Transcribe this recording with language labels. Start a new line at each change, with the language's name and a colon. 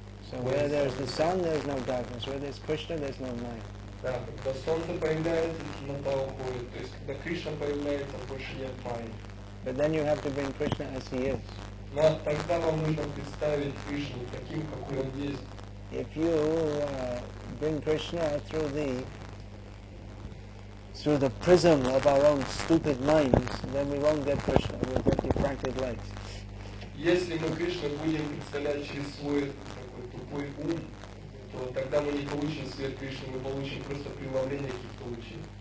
English: So where there is the sun, there is no darkness. Where there is Krishna, there is no Maya.
Russian: Да, когда солнце появляется, темнота уходит. То есть, когда Кришна появляется, больше нет Майи.
English: But then you have to bring Krishna as he is.
Russian: Но тогда вам нужно представить Кришну таким, какой он есть.
English: If you bring Krishna through the prism of our own stupid minds, then we won't get Krishna, we'll get diffracted light.
Russian: Если мы Кришну будем представлять через свой такой тупой ум, то тогда мы не получим свет Кришны, мы получим просто преломление каких-то лучей.